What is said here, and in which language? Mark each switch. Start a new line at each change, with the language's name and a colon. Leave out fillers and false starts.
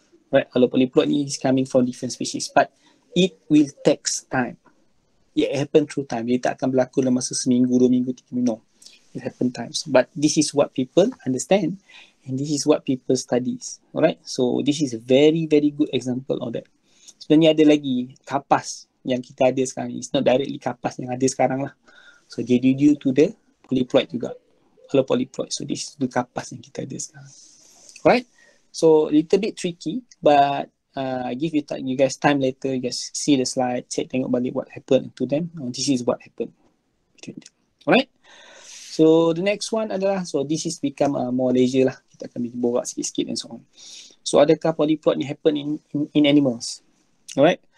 English: Alright, allopolyploid ni is coming from different species, but it will takes time. It happen through time.
Malay: Dia tak akan berlaku dalam masa seminggu, dua minggu, tiga minggu.
English: No. It happen times. But this is what people understand. And this is what people studies, alright? So this is a very, very good example of that.
Malay: Sebenarnya ada lagi kapas yang kita ada sekarang.
English: It's not directly
Malay: kapas yang ada sekarang lah.
English: So they due to the polyploid
Malay: juga.
English: Hello polyploid. So this is the
Malay: kapas yang kita ada sekarang.
English: Alright? So little bit tricky, but I give you guys time later. You guys see the slide, check,
Malay: tengok balik
English: what happened to them. Oh, this is what happened. Alright? So the next one adalah, so this is become more leisure lah.
Malay: Kita akan berbual sikit-sikit
English: and so on. So
Malay: adakah
English: polyploid ni happen in animals? Alright?